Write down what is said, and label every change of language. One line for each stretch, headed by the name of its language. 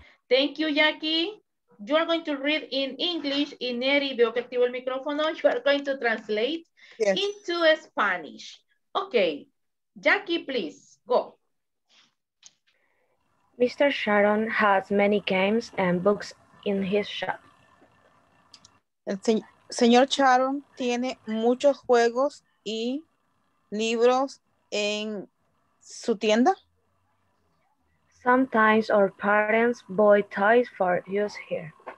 English: Thank you, Jackie. You are going to read in English. Ineri,
Spanish: veo que activo el micrófono.
English: You are going to translate into Spanish. Okay. Jackie, please, go. Mr. Sharon has many games and books in his shop.
Spanish: El señor Sharon tiene muchos juegos y libros en su tienda.
English: Sometimes our parents buy toys for use here.